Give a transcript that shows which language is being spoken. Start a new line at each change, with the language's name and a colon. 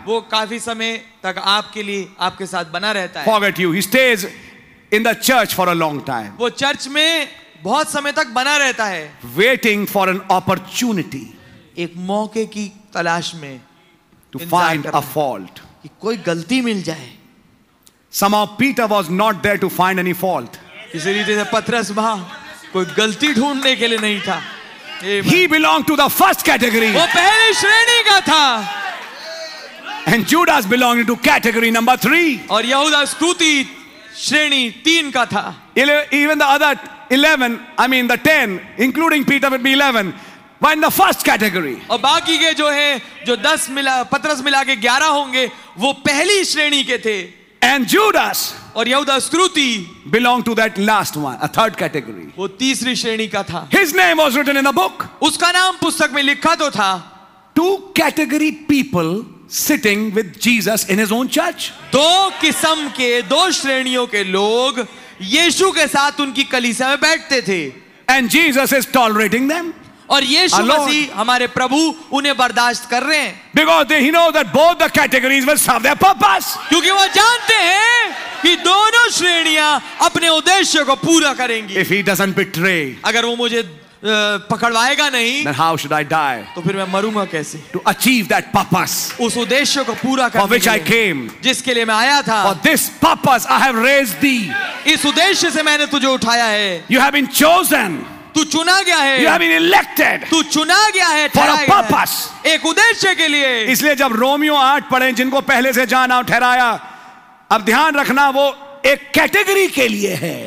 Hindi: वो काफी समय तक आपके लिए आपके साथ बना रहता है।
English: Forget you. He stays in the church for a long time.
Hindi: वो चर्च में बहुत समय तक बना रहता है।
English: Waiting for an opportunity.
Hindi: एक मौके की तलाश में।
English: To find a fault.
Hindi: कि कोई गलती मिल जाए।
English: Somehow Peter was not there to find any fault.
Hindi: किसी तरीके से पतरस वहां कोई गलती ढूंढने के लिए नहीं था।
English: He belonged to the first category.
Hindi: वो पहले श्रेणी का था।
English: And Judas belonged to category number 3.
Hindi: और यहूदा स्तुति श्रेणी 3 का था।
English: Even the other 11, I mean the 10, including Peter would be 11, were in the first category.
Hindi: और बाकी के जो हैं, जो 10 मिला, पतरस मिला के 11 होंगे, वो पहली श्रेणी के थे।
English: And Judas.
Hindi: और यहूदा स्तुति
English: belong to that last one, a third category.
Hindi: वो तीसरी श्रेणी का था।
English: His name was written in the book.
Hindi: उसका नाम पुस्तक में लिखा तो था।
English: Two category people sitting with Jesus in his own church.
Hindi: दो किस्म के, दो श्रेणियों के लोग यीशु के साथ उनकी कलीसिया में बैठते थे।
English: And Jesus is tolerating them.
Hindi: और यीशु मसीह हमारे प्रभु उन्हें बर्दाश्त कर रहे हैं।
English: Because they know that both the categories will serve their purpose.
Hindi: क्योंकि वो जानते हैं कि दोनों श्रेणियां अपने उद्देश्य को पूरा करेंगी।
English: If he doesn't betray,
Hindi: अगर वो मुझे पकड़वाएगा नहीं,
English: then how should I die?
Hindi: तो फिर मैं मरूंगा कैसे?
English: To achieve that purpose,
Hindi: उस उद्देश्य को पूरा करने
English: for which I came,
Hindi: जिसके लिए मैं आया था।
English: For this purpose I have raised thee,
Hindi: इस उद्देश्य से मैंने तुझे उठाया है।
English: You have been chosen.
Hindi: तू चुना गया है।
English: You have been elected.
Hindi: तू चुना गया है।
English: For a purpose.
Hindi: एक उद्देश्य के लिए। इसलिए जब रोमियो 8 पढ़े, जिनको पहले से जाना ठहराया, अब ध्यान रखना वो एक कैटेगरी के लिए है।